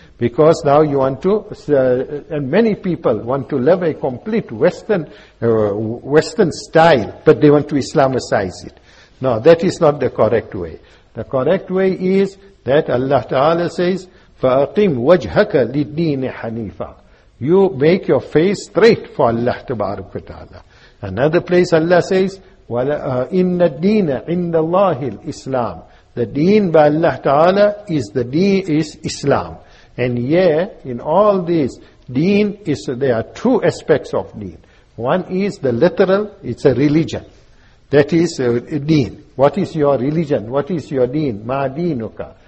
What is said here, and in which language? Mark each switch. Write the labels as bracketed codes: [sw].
[en] Because now you want to, and many people want to live a complete Western style, but they want to Islamicize it. No, that is not the correct way. The correct way is that Allah Ta'ala says, [ar] فَأَقِمْ وَجْهَكَ لِلدِّينِ حَنِيفًا. [en] You make your face straight for Allah Tabaraka wa Ta'ala. Another place Allah says, [ar] إِنَّ الدِّينَ عِنْدَ اللَّهِ الْإِسْلَامِ. [en] The deen by Allah Ta'ala is the deen is Islam. And yeah, in all these, deen is, there are two aspects of deen. One is the literal, it's a religion. That is a deen. What is your religion? What is your deen? [ar] Ma deenuka.